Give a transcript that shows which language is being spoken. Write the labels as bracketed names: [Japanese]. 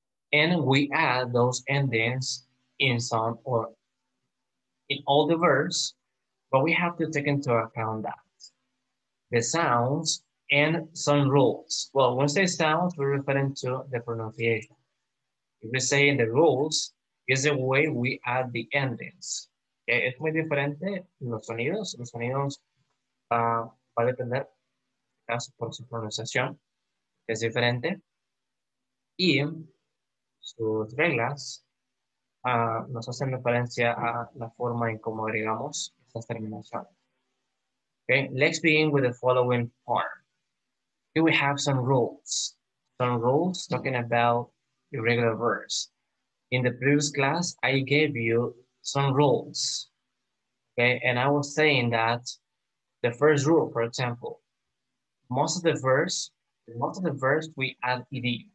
[English] And we add those endings in some or in all the verbs, but we have to take into account that the sounds and some rules. Well, when we say sounds, we're referring to the pronunciation. If we say in the rules, is the way we add the endings. [Spanish] Okay, es muy diferente los sonidos. Los sonidos va a depender por su pronunciación. Es diferente. Y sus reglas nos hacen referencia a la forma en cómo agregamos esas terminaciones. [English] Okay, let's begin with the following part. Here we have some rules talking about irregular verbs. In the previous class, I gave you some rules, okay? And I was saying that the first rule, for example, most of the verbs we add ed.